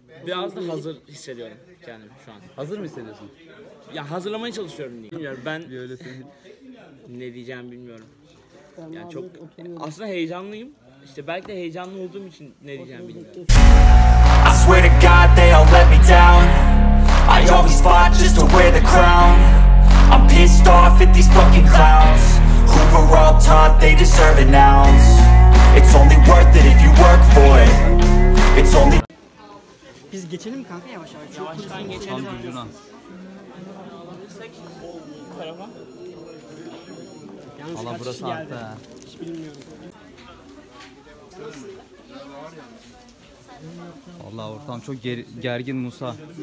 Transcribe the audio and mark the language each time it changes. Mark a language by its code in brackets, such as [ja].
[tr] Biraz da hazır hissediyorum kendimi şu an. Hazır mı hissediyorsun? Ya hazırlamaya çalışıyorum diye. Bilmiyorum ben. Ne diyeceğimi bilmiyorum. Ya yani çok aslında heyecanlıyım. İşte belki de heyecanlı olduğum için ne diyeceğimi bilmiyorum. [en] I swear to God they all let me down. I always fought just to wear the crown. I'm pissed off at these fucking clowns. Who were all taught they deserve an ounce. It's only worth it if you work for it. It's only. [tr] Biz geçelim mi kanka, yavaş yavaş? Yavaş yavaş geçelim. Geçelim. Tam gücünü al. Karaman. Valla burası geldi. Altta. Hiç bilmiyorum. Valla ortam çok gergin Musa.